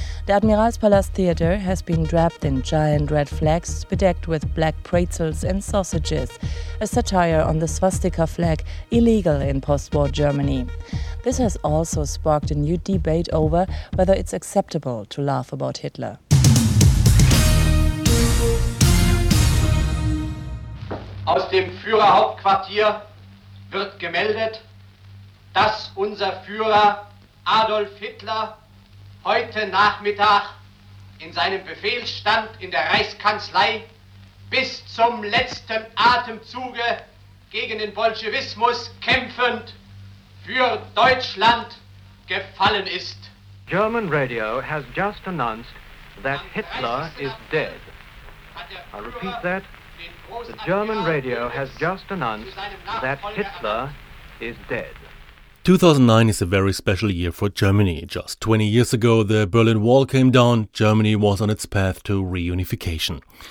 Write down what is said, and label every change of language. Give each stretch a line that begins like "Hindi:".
English: The Admiralspalast Theater has been draped in giant red flags, bedecked with black pretzels and sausages, a satire on the swastika flag, illegal in post-war Germany. This has also sparked a new debate over whether it's acceptable to laugh about Hitler.
German: Aus dem Führerhauptquartier wird gemeldet, dass unser Führer Adolf Hitler heute Nachmittag in seinem Befehlsstand in der Reichskanzlei bis zum letzten Atemzuge gegen den Bolschewismus kämpfend für Deutschland gefallen ist.
English: German Radio has just announced that Hitler is dead. I repeat that. The German radio has just announced that Hitler is dead. 2009 is a very special year for Germany. Just 20 years ago, the Berlin Wall came down. Germany was on its path to reunification.